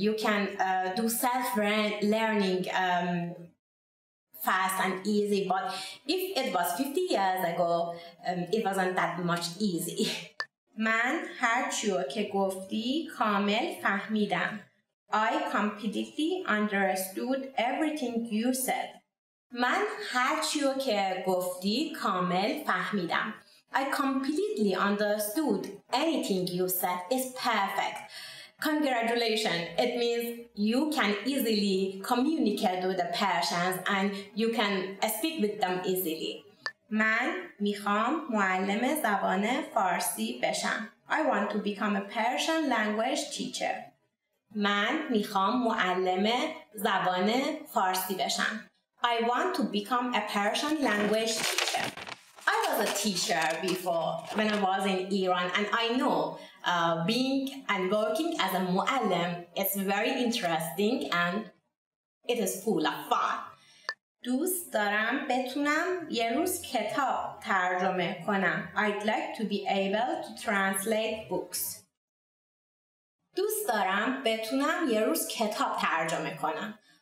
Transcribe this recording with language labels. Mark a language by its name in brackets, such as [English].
[English] You can do self-learning fast and easy, but if it was 50 years ago, it wasn't that much easy. [Persian] من هر چی که گفتی کامل فهمیدم. [English] I completely understood everything you said. [Persian] من هر چی که گفتی کامل فهمیدم. [English] I completely understood anything you said. It's perfect. Congratulations. It means you can easily communicate with the Persians and you can speak with them easily. [Persian] من میخوام معلم زبان فارسی بشم. [English] I want to become a Persian language teacher. [Persian] من میخوام معلم زبان فارسی بشم. [English] I want to become a Persian language teacher. I was was a teacher before when I was in Iran, and I know being and working as a muallim is very interesting and it is full of fun. [Persian] دوست دارم بتونم یه روز کتاب ترجمه کنم. [English] I'd like to be able to translate books. [Persian] دوست دارم بتونم یه روز کتاب ترجمه کنم.